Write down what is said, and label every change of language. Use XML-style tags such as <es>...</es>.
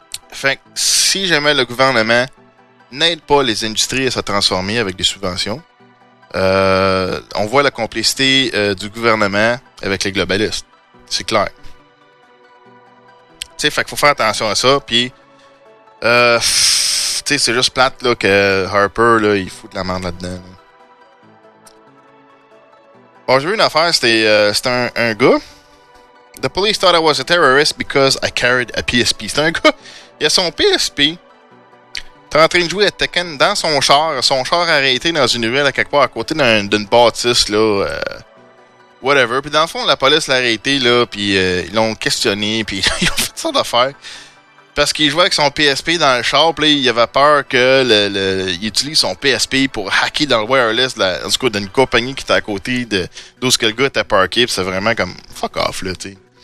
<fr>Fait que si jamais le gouvernement n'aide pas les industries à se transformer avec des subventions, on voit la complicité du gouvernement avec les globalistes. C'est clair. Tu sais, fait qu'il faut faire attention à ça, puis tu sais, c'est juste plate là que Harper là, il fout de la merde là-dedans. Là. Bon, j'ai vu une affaire, c'était un gars.</fr> <en>The police thought I was a terrorist because I carried a PSP.</en> <fr>C'est un gars, il a son PSP. T'es en train de jouer à Tekken dans son char arrêté dans une ruelle à quelque part à côté d'une bâtisse là. Whatever. Puis dans le fond, la police l'a arrêté, là, puis ils l'ont questionné, puis ils ont fait ça d'affaires. Parce qu'il jouait avec son PSP dans le char, puis il avait peur que il utilise son PSP pour hacker dans le wireless, en tout cas, d'une compagnie qui était à côté d'où ce que le gars était parké, puis c'est vraiment comme fuck off, là, tu sais.</fr>